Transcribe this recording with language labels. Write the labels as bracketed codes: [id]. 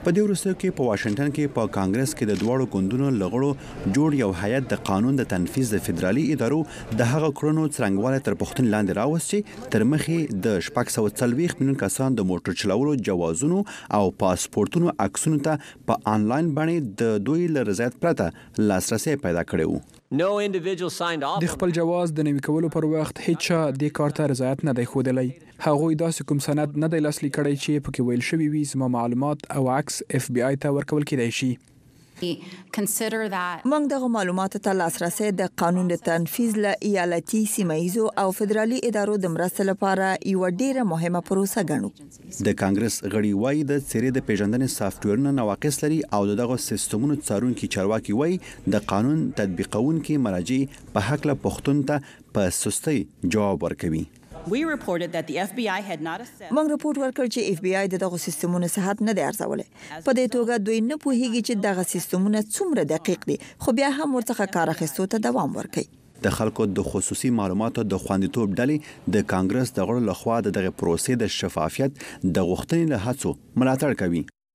[ps] په دې وروستیو کې په واشنگټن کې په کانګرس کې د دواړو ګوندونو لغړو جوړ یو هیئت د قانون د تنفیذ د فدرالي ادارو د هغه کړنو څرنګوالی تر پوښتنې لاندې راوستي. تر مخې د 640 میلیون کسان د موټر چلولو جوازونو او پاسپورتونو عکسونو ته په آنلاین باندې د دوی له رضایت پرته لاسرسي پیدا کړی وو. [en] No individual signed off. [ps] د خپل جواز د نوي کولو پر وخت هیڅ چا د کارت رضایت نه دی خودلی. هغه داسې کوم سند نه دی لاسلیک کړی چې پکې ویل شوی وي زمو معلومات او عکس FBI ته ورکول کیدای شي. موږ دغو معلوماتو ته لاسرسی د قانون د تنفیذ له ایالتي، سیمه ایزو او فدرالي ادارو د مرستې لپاره یوه ډیره مهمه پروسه ګڼو. د کانګرس غړي وایي د څیرې د پیژندنې سافټویرونه نواقص لري او د دغو سیستمونو څارونکي چارواکي وایي د قانون تطبیقونکي مراجع په هکله پښتون ته په سستۍ جواب ورکوي. [en] We reported that the FBI had not assessed. [ps] موږ رپورټ ورکړ چې FBI د دغو سیستمونو صحت نه دی ارزولی. په دې توګه دوی نه پوهیږي چې دغه سیستمونه څومره دقیق دي، خو بیا هم ورڅخه کار اخیستو ته دوام ورکوي. د خلکو د خصوصي معلوماتو د خوندیتوب ډلې د کانګرس د غړو لخوا د دغه پروسې د شفافیت د غوښتنې له هڅو ملاتړ کوي.